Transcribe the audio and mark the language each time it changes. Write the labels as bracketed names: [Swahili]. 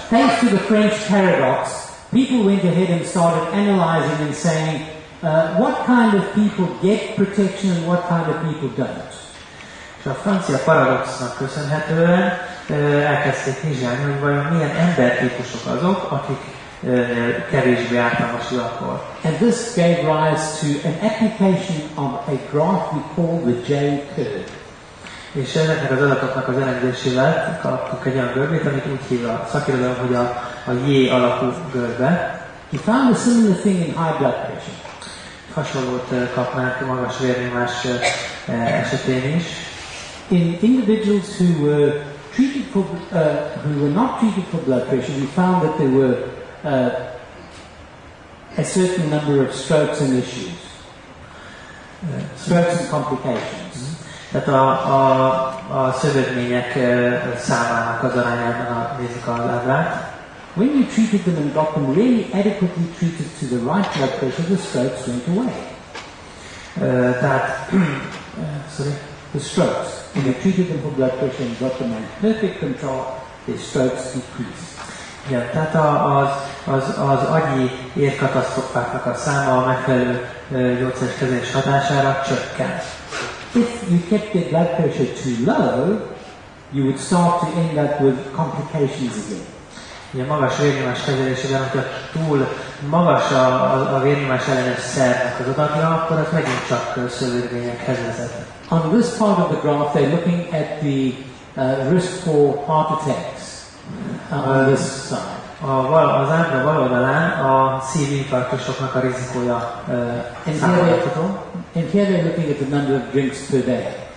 [English] Thanks to the French paradox, people went ahead and started analyzing and saying, what kind of people get protection and what kind of people don't. [Hungarian] És a francia paradoxnak köszönhetően elkezdték vizsgálni, hogy vajon milyen embertípusok azok, akik kevésbé ártalmas alkohol. [English] And this gave rise to an application of a graph we call the J-curve. [Hungarian] És ezeknek az adatoknak az elemzésével kaptuk egy olyan görbét, amit úgy hív a szakirodalom, hogy a J alakú görbe. [English] We found a similar thing in high blood pressure. [Hungarian] Hasonlót kapnánk magas vérnyomás esetén is. [English] In individuals who were treated for who were not treated for blood pressure, we found that there were a certain number of strokes and issues, strokes and complications. [Hungarian] Tehát a szövődmények számának az arányában nézik az ábrát. [English] When you treated them and got them really adequately treated to the right blood pressure, the strokes went away. The strokes. When you treated them for blood pressure and got them in perfect control, their strokes decreased. [Hungarian] Ja, tehát az agyi érkatasztrofáknak a száma a megfelelő gyógyszeres kezelés hatására csökken. [English] If you kept your blood pressure too low, you would start to end up with complications again. [Hungarian] Ugye magas vérnyomás kezelésében, hogyha túl magas a vérnyomás ellenes szernek az adatja, akkor ez megint csak szövődményekhez vezet. [English] On this part of the graph, they're looking at the risk for heart attacks on this side. [Hungarian] Az ábra bal oldalán a szívinfarktusoknak a rizikója számolható. [English] And here they're looking at the number of drinks per day.